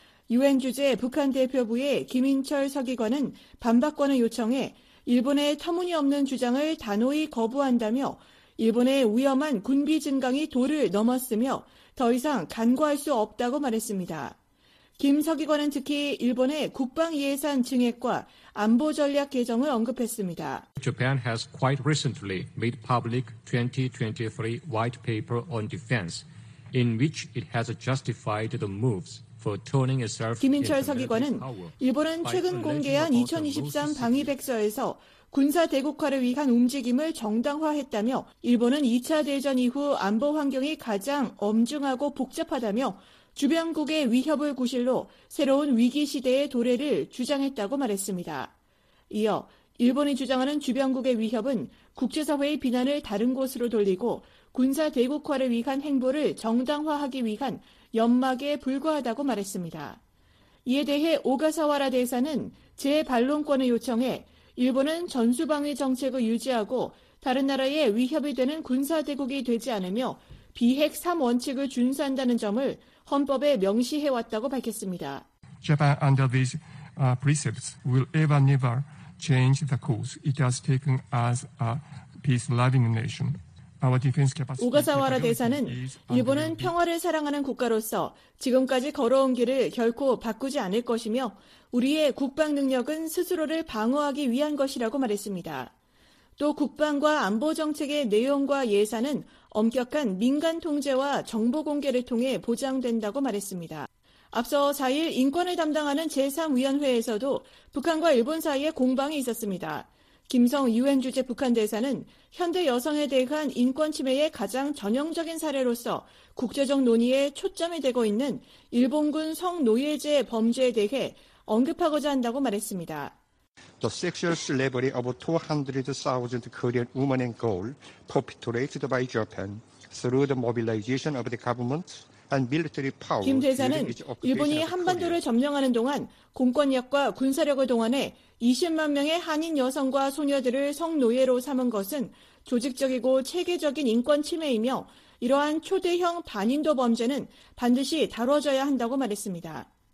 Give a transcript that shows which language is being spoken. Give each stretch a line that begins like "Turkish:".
Korean: 유엔 주재 북한 대표부의 김인철 서기관은 반박권을 요청해 일본의 터무니없는 주장을 단호히 거부한다며 일본의 위험한 군비 증강이 도를 넘었으며 더 이상 간과할 수 없다고 말했습니다. 김 서기관은 특히 일본의 국방 예산 증액과 안보 전략 개정을 언급했습니다.
English: Japan has quite recently made public 2023 white paper on defense in which it has justified the moves.
Korean: 김인철 서기관은 일본은 최근 공개한 2023 방위백서에서 군사 대국화를 위한 움직임을 정당화했다며 일본은 2차 대전 이후 안보 환경이 가장 엄중하고 복잡하다며 주변국의 위협을 구실로 새로운 위기 시대의 도래를 주장했다고 말했습니다. 이어 일본이 주장하는 주변국의 위협은 국제사회의 비난을 다른 곳으로 돌리고 군사 대국화를 위한 행보를 정당화하기 위한 연막에 불과하다고 말했습니다. 이에 대해 오가사와라 대사는 재반론권을 요청해 일본은 전수방위 정책을 유지하고 다른 나라의 위협이 되는 군사대국이 되지 않으며 비핵 3원칙을 준수한다는 점을 헌법에 명시해왔다고 밝혔습니다.
English: Japan under these precepts will ever never change the course it has taken as a peace-loving nation.
Korean: 오가사와라 대사는 일본은 평화를 사랑하는 국가로서 지금까지 걸어온 길을 결코 바꾸지 않을 것이며 우리의 국방 능력은 스스로를 방어하기 위한 것이라고 말했습니다. 또 국방과 안보 정책의 내용과 예산은 엄격한 민간 통제와 정보 공개를 통해 보장된다고 말했습니다. 앞서 4일 인권을 담당하는 제3위원회에서도 북한과 일본 사이에 공방이 있었습니다. 김성 유엔 주재 북한 대사는 현대 여성에 대한 인권 침해의 가장 전형적인 사례로서 국제적 논의에 초점이 되고 있는 일본군 성노예제 범죄에 대해 언급하고자 한다고 말했습니다.
English: The sexual slavery of 200,000 Korean women and girls perpetrated by Japan through the mobilization of the government.
Korean: 김 대사는 일본이 한반도를 점령하는 동안 공권력과 군사력을 동원해 20만 명의 한인 여성과 소녀들을 성노예로 삼은 것은 조직적이고 체계적인 인권 침해이며 이러한 초대형 반인도 범죄는 반드시 다뤄져야 한다고 말했습니다.